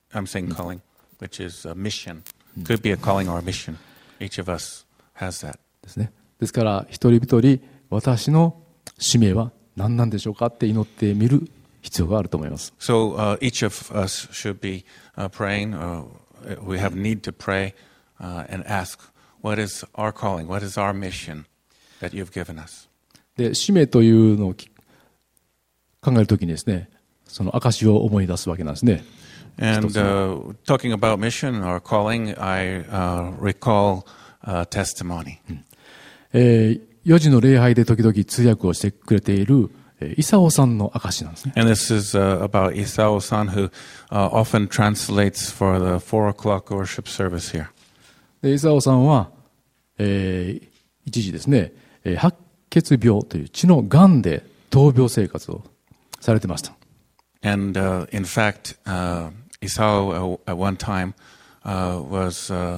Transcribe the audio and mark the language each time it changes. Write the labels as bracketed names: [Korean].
[English] I'm saying calling, which is a mission. Could be a calling or a mission. Each of us has that. [Japanese] ですね。ですから一人一人私の使命は何なんでしょうかって祈ってみる必要があると思います。 [English] So each of us should be praying. We have need to pray. And ask, what is our calling? What is our mission that you've given us? [Japanese] で、使命というのを考えるときにですね、その証を思い出すわけなんですね。 [English] And talking about mission or calling, I recall testimony. [Japanese] 四時の礼拝で時々通訳をしてくれている伊佐さんの証なんですね。 [English] And this is about Isao-san, who often translates for the 4 o'clock worship service here. [Japanese] で、伊佐さんは、一時ですね、白血病という血のがんで闘病生活をされてました。 [English] And in fact, Isao at one time was